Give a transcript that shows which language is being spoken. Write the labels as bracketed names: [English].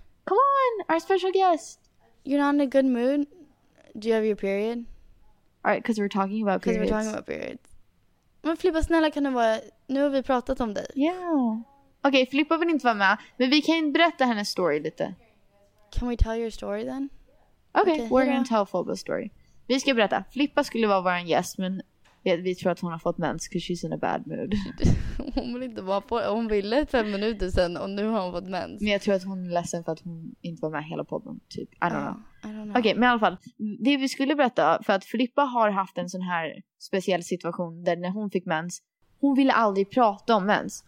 [English] Come on, our special guest. You're not in a good mood? Do you have your period? All right, because we're talking about periods. Because we're talking about periods. [Swedish] Men Filippa, snälla, kan det vara... Nu har vi pratat om dig. [English] Yeah. [Swedish] Okej, Filippa vill inte vara med. Men vi kan berätta hennes story lite. [English] Can we tell your story then? [Swedish] Okej, [English] okay, we're going to tell Filippa's story. [Swedish] Vi ska berätta. Filippa skulle vara vår gäst, men... Vi tror att hon har fått mens [English] because she's in a bad mood. [Swedish] Hon vill inte vara på. Hon ville 5 minuter sedan och nu har hon fått mens. Men jag tror att hon är ledsen för att hon inte var med hela podden. [English] Typ. I don't know. [Swedish] Okej, men i alla fall. Det vi skulle berätta, för att Filippa har haft en sån här speciell situation där när hon fick mens, hon ville aldrig prata om mens.